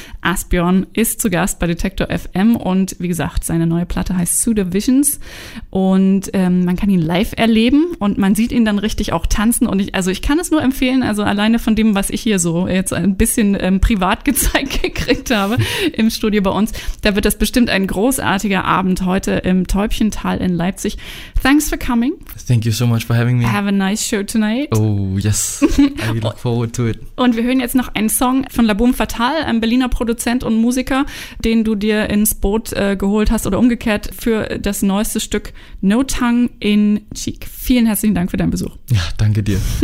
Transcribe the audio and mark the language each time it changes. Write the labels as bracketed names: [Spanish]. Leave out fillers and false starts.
[German] Asbjørn ist zu Gast bei Detektor FM und wie gesagt, seine neue Platte heißt Pseudovisions und man kann ihn live erleben und man sieht ihn dann richtig auch tanzen und ich kann es nur empfehlen, also alleine von dem, was ich hier so jetzt ein bisschen privat gezeigt gekriegt habe im Studio bei uns, da wird das bestimmt ein großartiger Abend heute im Täubchental in Leipzig. [English] Thanks for coming. Thank you so much for having me. Have a nice show tonight. Oh yes, I look forward to it. [German] Und wir hören jetzt noch einen Song von Laboum Fatal, einem Berliner Produzent und Musiker, den du dir ins Boot geholt hast oder umgekehrt für das neueste Stück No Tongue in Cheek. Vielen herzlichen Dank für deinen Besuch. Ja, danke dir.